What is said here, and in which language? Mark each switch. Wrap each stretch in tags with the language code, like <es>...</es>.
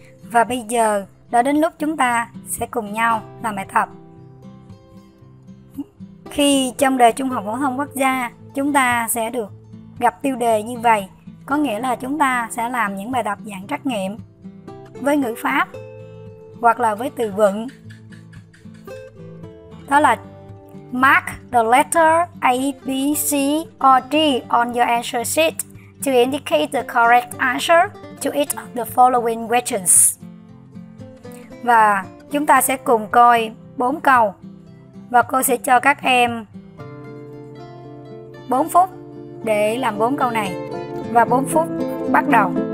<vi>Và bây giờ đã đến lúc chúng ta sẽ cùng nhau làm bài tập. Khi trong đề Trung học phổ thông quốc gia, chúng ta sẽ được gặp tiêu đề như vậy, có nghĩa là chúng ta sẽ làm những bài tập dạng trắc nghiệm với ngữ pháp hoặc là với từ vựng. Đó là</vi> <en>mark the letter A, B, C or D on your answer sheet to indicate the correct answer to each of the following questions.</en> <vi>Và chúng ta sẽ cùng coi 4 câu. Và cô sẽ cho các em 4 phút để làm 4 câu này. Và 4 phút bắt đầu.</vi>